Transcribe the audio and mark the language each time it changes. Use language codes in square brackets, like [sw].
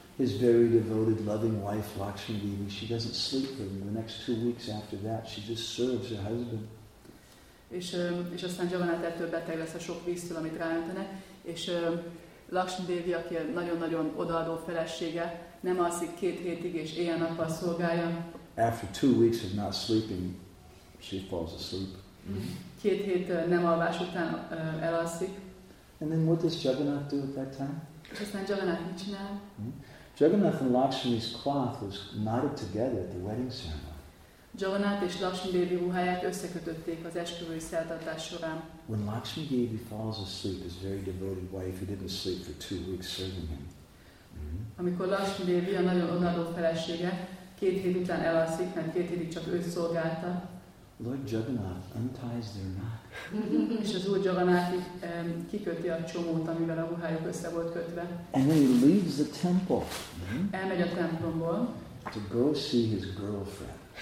[en] His very devoted, loving wife, Lakshmi Devi, she doesn't sleep for him. The next 2 weeks after that, she just serves her husband. [hu] És aztán Jagannath ettől beteg lesz a sok víztől, amit ráöntenek, és Lakshmi Devi, aki nagyon-nagyon odaadó felesége, nem alszik 2 hétig, és éjjel-nappal szolgálja. [en] After 2 weeks of not sleeping, she falls asleep. [hu] 2 hét nem alvás után elalszik. [en] And then what does Jagannath do at that time? [hu] És aztán Jagannath mit csinál? [en] Jagannath and Lakshmi's cloth was knotted together at the wedding ceremony. [hu] Jagannath és Lakshmi Devi ruháját összekötötték az esküvői szertartás során. [en] When Lakshmi Devi falls asleep, his very devoted wife, who didn't sleep for 2 weeks serving him. [hu] Amikor Lakshmi Devi, a nagyon odaadó felesége, 2 hét után elalszik, mert 2 hétig csak ő szolgálta. [en] Lord Jagannath unties their knot. [hu] És az Úr Jagannath kiköti a csomót, amivel a ruhájuk össze volt kötve. [en] And then he leaves the temple. [hu] Elmegy a templomból. [en] To go see his girlfriend.